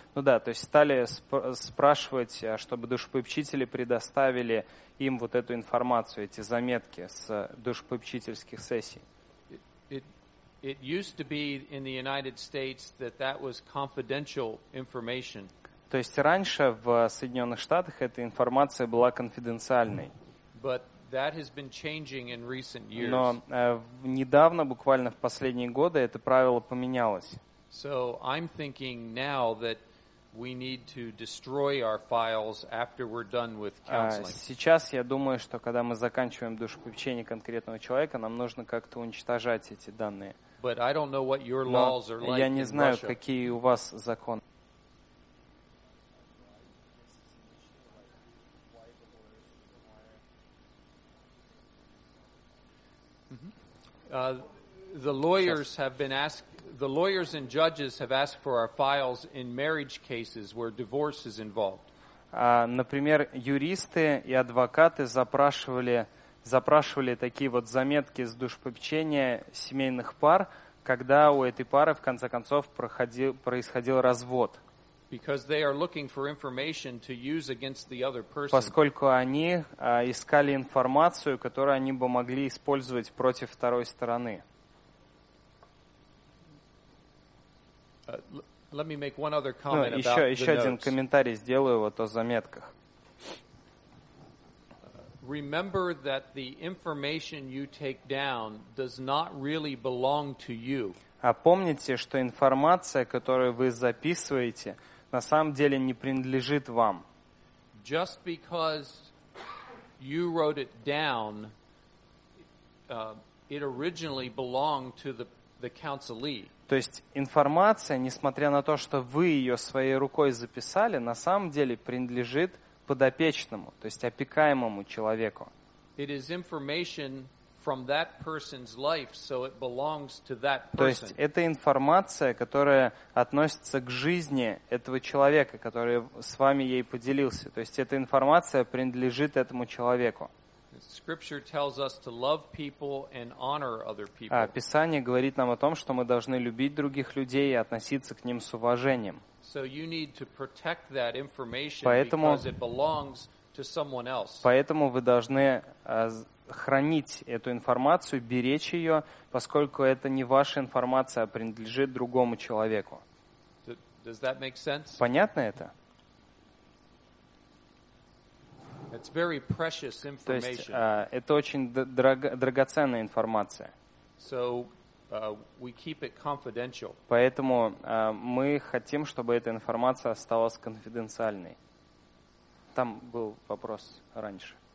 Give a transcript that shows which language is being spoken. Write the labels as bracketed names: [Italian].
[Russian] Ну да, то есть стали спрашивать, чтобы душепопечители предоставили им вот эту информацию, эти заметки с душепопечительских сессий. [English] It used to be in the United States that was confidential information. [Russian] То есть раньше в Соединенных Штатах эта информация была конфиденциальной. [English] But that has been changing in recent years. [Russian] Но недавно, буквально в последние годы, это правило поменялось. [English] So I'm thinking now that we need to destroy our files after we're done with counseling. [Russian] Сейчас я думаю, что когда мы заканчиваем душепопечение конкретного человека, нам нужно как-то уничтожать эти данные. [English] But I don't know what your laws are like. [Russian] Я не знаю, какие у вас законы. [English] The lawyers and judges have asked for our files in marriage cases where divorce is involved. [Russian] Например, юристы и адвокаты запрашивали такие вот заметки с душепопечения семейных пар, когда у этой пары в конце концов происходил развод. [English] Because they are looking for information to use against the other person. [Russian] Поскольку они искали информацию, которую они бы могли использовать против второй стороны. [English] Let me make one other comment about the notes. [Russian] Еще один комментарий сделаю вот о заметках. [English] Remember that the information you take down does not really belong to you. [Russian] А помните, что информация, которую вы записываете, на самом деле не принадлежит вам. [English] Just because you wrote it down, it originally belonged to the counselee. [Russian] То есть информация, несмотря на то, что вы ее своей рукой записали, на самом деле принадлежит подопечному, то есть опекаемому человеку. [English] It is information from that person's life, so it belongs to that person. [Russian] То есть это информация, которая относится к жизни этого человека, который с вами ей поделился. То есть эта информация принадлежит этому человеку. [English] Scripture tells us to love people and honor other people. [Russian] Писание говорит нам о том, что мы должны любить других людей и относиться к ним с уважением. [English] So you need to protect that information because it belongs to someone else. [Russian] Поэтому вы должны хранить эту информацию, беречь ее, поскольку это не ваша информация, а принадлежит другому человеку. [English] Does that make sense? [Russian] Понятно это? [English] It's very precious information. [Russian] То есть это очень драгоценная информация. [English] So, we keep it confidential. [Russian] Поэтому мы хотим, чтобы эта информация осталась конфиденциальной. Там был вопрос раньше.